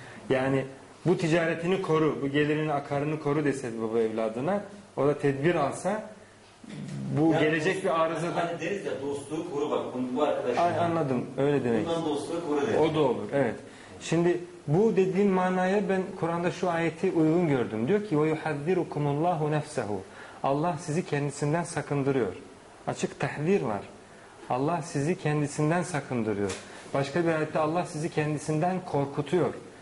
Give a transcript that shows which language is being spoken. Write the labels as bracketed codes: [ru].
[tr] Yani bu ticaretini koru, bu gelirin akarını koru deseydi baba evladına, o da tedbir alsa, bu yani gelecek dostu, bir arızadan... Hani deriz ya, dostluğu koru bak, bu arkadaşın... Anladım, öyle demek. Bundan dostluğu koru deriz. O da olur, evet. Şimdi... Bu dediğin manaya ben Kur'an'da şu ayeti uygun gördüm. Diyor ki [ar] وَيُحَذِّرُكُمُ اللّٰهُ نَفْسَهُ. [tr] Allah sizi kendisinden sakındırıyor. Açık tehdir var. Allah sizi kendisinden sakındırıyor. Başka bir ayette Allah sizi kendisinden korkutuyor.